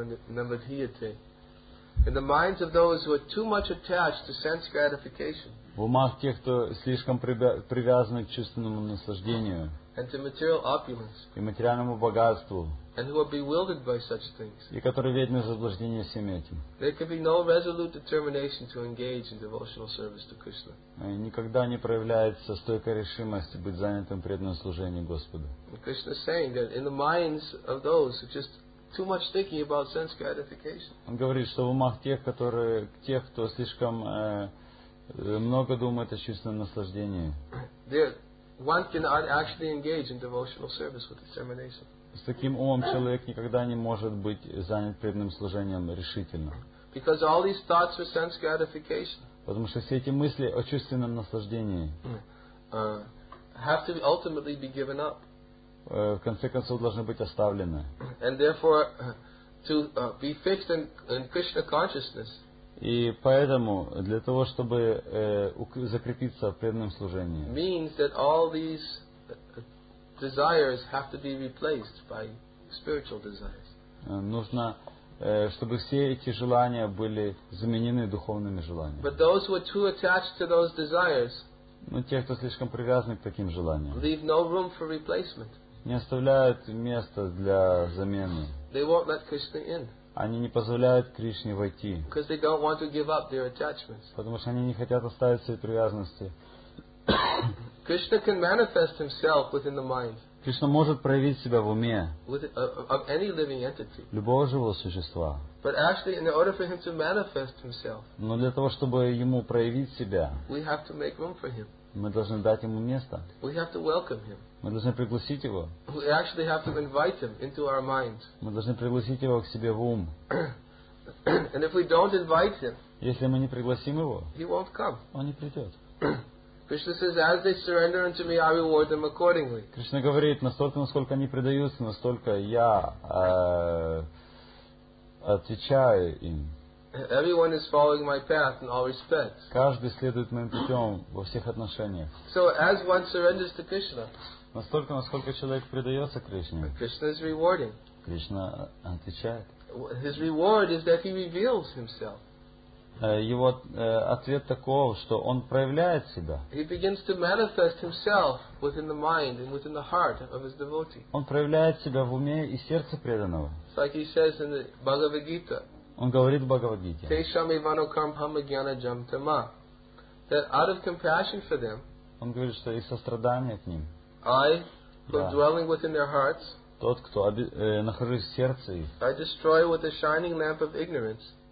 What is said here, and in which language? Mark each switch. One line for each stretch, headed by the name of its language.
English: In the minds of those who are too much attached to sense gratification,
Russian: в умах тех, кто слишком привязан к чувственному наслаждению,
English: and to material opulence,
Russian: и материальному богатству,
English: and who are bewildered by such things,
Russian: и которые ведены в заблуждение всем этим,
English: there can be no resolute determination to engage in devotional service to Krishna.
Russian: Никогда не проявляется стойкая решимость быть занятым преданным служением Господу.
English: Krishna is saying that in the minds of those who just too much thinking about sense gratification.
Russian: Он говорит, что в умах тех, кто слишком много думает о чувственном наслаждении,
English: one cannot actually engage in devotional service with determination.
Russian: С таким умом человек никогда не может быть занят преданным служением решительно.
English: Because all these thoughts are sense gratification.
Russian: Потому что все эти мысли о чувственном наслаждении
English: have to ultimately be given up.
Russian: В конце концов должны быть оставлены.
English: And therefore, to be fixed in Krishna consciousness.
Russian: И поэтому для того, чтобы закрепиться в преданном служении.
English: Means that all these desires have to be replaced by spiritual desires.
Russian: Нужно, чтобы все эти желания были заменены духовными желаниями.
English: But those who are too attached to those desires.
Russian: Но те, кто слишком привязаны к таким желаниям.
English: Leave no room for replacement.
Russian: Не оставляют места для замены.
English: They won't let Krishna in.
Russian: Они не позволяют Кришне войти.
English: Because they don't want to give up their attachments.
Russian: Потому что они не хотят оставить свои привязанности.
English: Krishna can manifest himself within the mind.
Russian: Кришна может проявить себя в уме.
English: With, of any living entity.
Russian: Любого живого существа.
English: But actually, in order for him to manifest himself.
Russian: Но для того, чтобы ему проявить себя.
English: We have to make room for him.
Russian: Мы должны дать ему место.
English: We have to welcome him.
Russian: Мы должны пригласить его.
English: We actually have to invite him into our minds.
Russian: Мы должны пригласить его к себе в ум.
English: And if we don't invite him,
Russian: если мы не пригласим его,
English: he won't come.
Russian: Он не придет.
English: Krishna says, as they surrender unto me, I reward them accordingly.
Russian: Кришна говорит, настолько, насколько они предаются, настолько я отвечаю им.
English: Everyone is following my path in all respects.
Russian: Каждый следует моим путем во всех отношениях.
English: So as one surrenders to Krishna,
Russian: настолько, насколько человек предается Кришне,
English: Krishna is rewarding.
Russian: Кришна отвечает.
English: His reward is that he reveals himself.
Russian: Его ответ таков, что он проявляет себя.
English: He begins to manifest himself within the mind and within the heart of his devotee.
Russian: Он проявляет себя в уме и сердце преданного.
English: It's like he says in the Bhagavad Gita.
Russian: Он говорит в Бхагавад-гите.
Sanskrit: Тешам ивано кармхам агьяна джам тама.
English: That out of compassion for them.
Russian: Он говорит, что из сострадания к ним.
English: I, who dwelling within their hearts.
Russian: Тот, кто нахожусь в сердце их.
English: I destroy with the shining lamp of ignorance.